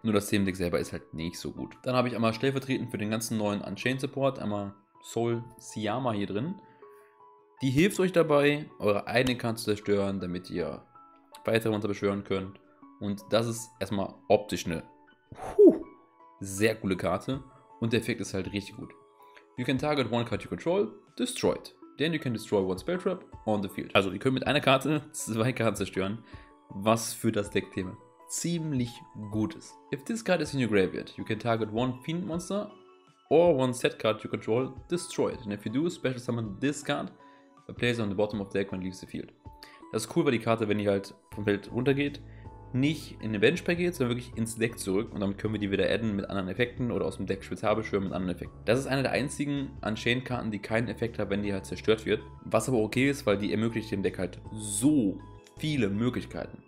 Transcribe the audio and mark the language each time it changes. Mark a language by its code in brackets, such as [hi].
[de] Nur das Themendeck selber ist halt nicht so gut. Dann habe ich einmal stellvertretend für den ganzen neuen Unchained Support einmal Soul Siyama hier drin. Die hilft euch dabei, eure eigene Karte zu zerstören, damit ihr weitere Monster beschwören könnt. Und das ist erstmal optisch eine sehr coole Karte und der Effekt ist halt richtig gut. [en] You can target one card you control, destroy it. Then you can destroy one spell trap on the field. [de] Also ihr könnt mit einer Karte zwei Karten zerstören, was für das Deckthema ziemlich gut ist. [en] If this card is in your graveyard, you can target one fiend monster or one set card you control, destroy it. And if you do, special summon this card, a place on the bottom of the deck when it leaves the field. [de] Das ist cool, weil die Karte, wenn die halt vom Feld runtergeht, nicht in den Benchpack geht, sondern wirklich ins Deck zurück und damit können wir die wieder adden mit anderen Effekten oder aus dem Deck spezial beschwören mit anderen Effekten. Das ist eine der einzigen Unchained-Karten, die keinen Effekt hat, wenn die halt zerstört wird. Was aber okay ist, weil die ermöglicht dem Deck halt so viele Möglichkeiten.